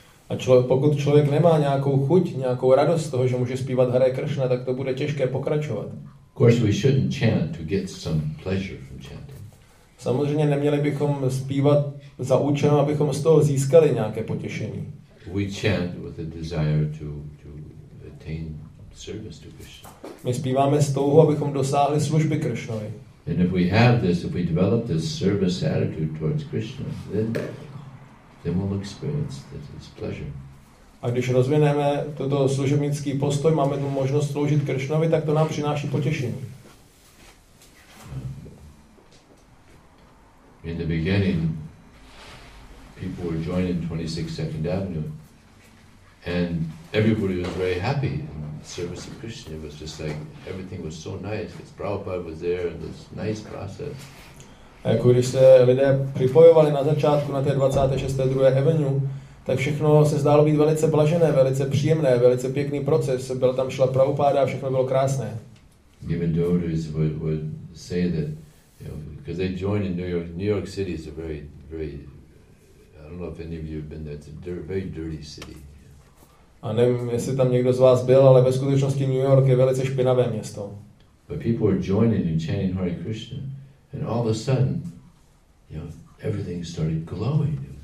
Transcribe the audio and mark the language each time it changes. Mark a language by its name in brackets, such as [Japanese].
[Czech] A pokud člověk nemá nějakou chuť, nějakou radost z toho, že může zpívat Hare Krishna, tak to bude těžké pokračovat. [English] Of course we shouldn't chant to get some pleasure from chanting. [Czech] Samozřejmě neměli bychom zpívat za účelem, abychom z toho získali nějaké potěšení. [English] We chant with a desire to attain service to Krishna. [Czech] My zpíváme s touhou, abychom dosáhli služby Krishnovi. [English] And if we have this, if we develop this service attitude towards Krishna, then we'll experience that it's pleasure. [Czech] A když rozvineme toto služebnický postoj, máme tu možnost sloužit Krishnovi, tak to nám přináší potěšení. [English] In the beginning, people were joining 26 Second Avenue, and everybody was very happy in the service of Krishna. It was just like everything was so nice, because Prabhupada was there and this nice process. [Czech] A když se lidé připojovali na začátku na té 26. druhé Avenue, tak všechno se zdálo být velice blažené, velice příjemné, velice pěkný proces. Byl tam šla Prabhupada a všechno bylo krásné. [English] Even devotees would say that, you know, because they joined in New York City is a very, very, I don't know if any of you have been there, it's a very dirty city. [Czech] A nevím, jestli tam někdo z vás byl, ale ve skutečnosti New York je velice špinavé město. [English] But people were joining and chanting Hare Krishna. And all of a sudden, you know, everything started glowing.